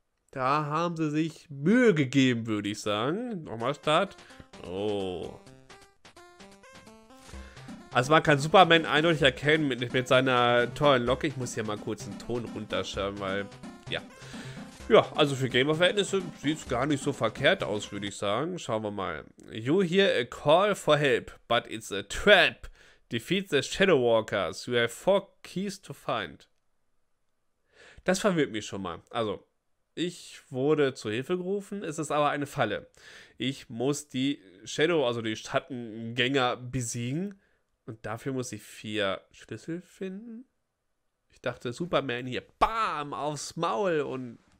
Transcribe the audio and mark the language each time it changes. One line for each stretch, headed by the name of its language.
German: Da haben sie sich Mühe gegeben, würde ich sagen. Nochmal Start. Oh. Also man kann Superman eindeutig erkennen mit seiner tollen Locke. Ich muss hier mal kurz den Ton runterschauen, weil, ja. Ja, also für Gamer-Verhältnisse sieht es gar nicht so verkehrt aus, würde ich sagen. Schauen wir mal.
English: You hear a call for help, but it's a trap. Defeat the Shadow Walkers. You have 4 keys to find.
German: Das verwirrt mich schon mal. Also, ich wurde zur Hilfe gerufen. Es ist aber eine Falle. Ich muss die Shadow, also die Schattengänger besiegen. Und dafür muss ich 4 Schlüssel finden. Ich dachte, Superman hier, bam, aufs Maul und...